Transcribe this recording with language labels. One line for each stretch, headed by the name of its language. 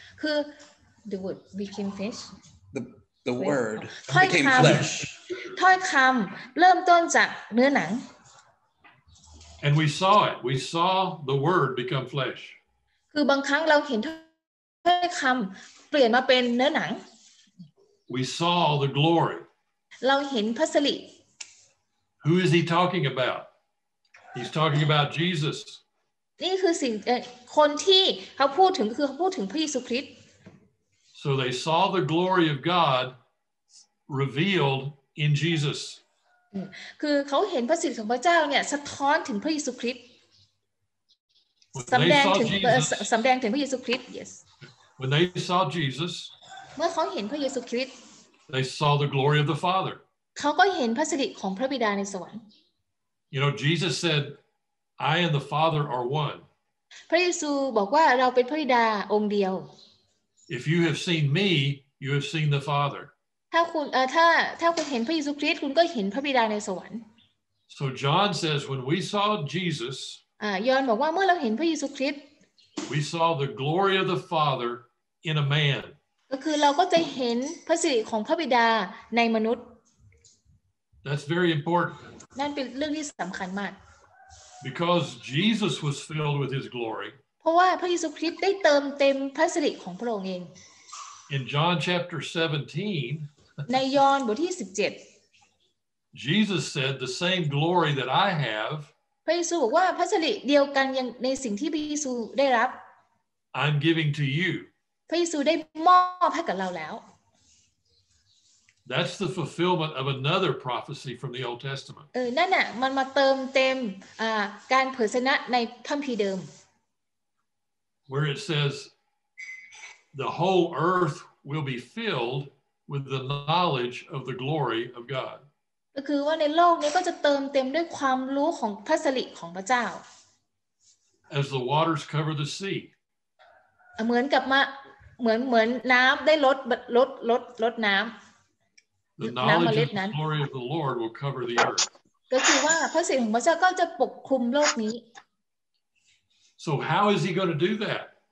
English: คือ the word became flesh The word became flesh.
Thai: ถ้อยคำเริ่มต้นจากเนื้อหนัง
English: And we saw it. We saw the word become flesh.
Thai: อบางครั้งเราเห็นถ้อยคำเปลี่ยนมาเป็นเนื้อหนัง
English: We saw the glory
Thai: เราเห็นพระสิริ
English: Who is he talking about? He's talking about Jesus
Thai: นี่คือสิ่งคนที่เขาพูดถึงคือเขาพูดถึงพระเยซูคริสต์
English: So they saw the glory of God revealed in Jesus
Thai: คือเขาเห็นพระสิริของพระเจ้าเนี่ยสะท้อนถึงพระเยซูคริสต์สำแดงถึงพระเยซูคริสต์ yes
English: when they saw Jesus
Thai: เมื่อเขาเห็นพระเยซูคริสต์
English: they saw the glory of the Father
Thai: เขาก็เห็นพระสิริของพระบิดาในสวรรค์
English: you know Jesus said I and the Father are one
Thai: พระเยซูบอกว่าเราเป็นพระบิดาองค์เดียว
English: if you have seen me you have seen the Father
Thai: ถ้าคุณถ้าคุณเห็นพระเยซูคริสต์คุณก็เห็นพระบิดาในสวรรค์
English: so John says when we saw Jesus
Thai: ยอห์นบอกว่าเมื่อเราเห็นพระเยซูคริสต์
English: We saw the glory of the Father in a man
Thai: ก็คือเราก็จะเห็นพระสิริของพระบิดาในมนุษย์
English: That's very important
Thai: นั่นเป็นเรื่องที่สำคัญมาก
English: Because Jesus was filled with his glory
Thai: เพราะว่าพระเยซูคริสต์ได้เติมเต็มพระสิริของพระองค์เอง
English: In John chapter 17
Thai: ในยอห์นบทที่17
English: Jesus said the same glory that I have
Thai: พระเยซูบอกว่าพระสิริเดียวกันอย่างในสิ่งที่พระเยซูได้รับ
English: I'm giving to you
Thai: พระเยซูได้มอบให้กับเราแล้ว
English: That's the fulfillment of another prophecy from the Old Testament
Thai: นั่นน่ะมันมาเติมเต็มการเผยชนะในคัมภีร์เดิม
English: Where it says the whole earth will be filled with the knowledge of the glory of God
Thai: ก็คือว่าในโลกนี้ก็จะเติมเต็มด้วยความรู้ของพระสิริของพระเจ้า
English: As the waters cover the sea
Thai: เหมือนกับมาเหมือนน้ําได้ลดน้ํา
English: The knowledge of the glory of the Lord will cover the earth
Thai: ก็คือว่าพระสิริของพระเจ้าก็จะปกคลุมโลกนี้
English: So how is he going to do that